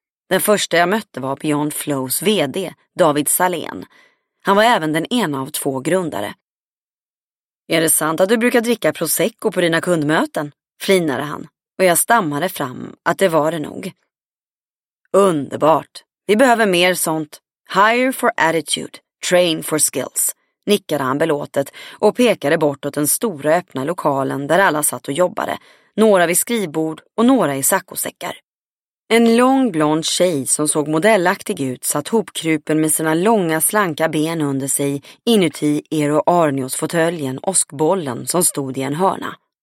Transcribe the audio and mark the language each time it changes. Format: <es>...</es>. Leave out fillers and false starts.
<sv>Den första jag mötte var Beyond Flows vd, David Salén. Han var även den ena av två grundare. Är det sant att du brukar dricka prosecco på dina kundmöten? Flinade han och jag stammade fram att det var det nog. Underbart. Vi behöver mer sånt.</sv> <en>Hire for attitude, train for skills.</en> <sv>Nickade han belåtet och pekade bortåt den stora öppna lokalen där alla satt och jobbade. Några vid skrivbord och några i sackosäckar. En lång blond tjej som såg modellaktig ut satt hopkrupen med sina långa slanka ben under sig inuti Eero Aarnios fåtöljen oskbollen som stod i en hörna.</sv>